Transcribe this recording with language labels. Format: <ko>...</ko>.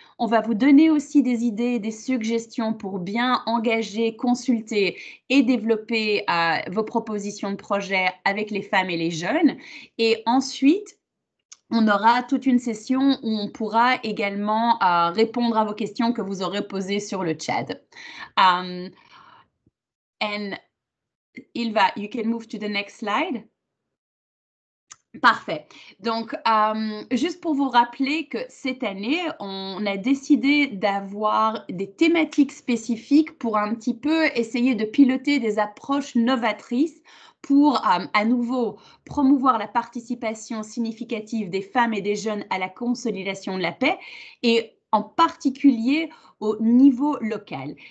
<fr>On va vous donner aussi des idées, des suggestions pour bien engager, consulter et développer vos propositions de projet avec les femmes et les jeunes. Et ensuite, on aura toute une session où on pourra également répondre à vos questions que vous aurez posées sur le chat.</fr> <en>And Ylva, you can move to the next slide.</en> <fr>Parfait. Donc, juste pour vous rappeler que cette année, on a décidé d'avoir des thématiques spécifiques pour un petit peu essayer de piloter des approches novatrices pour à nouveau promouvoir la participation significative des femmes et des jeunes à la consolidation de la paix et en particulier au niveau local.</fr>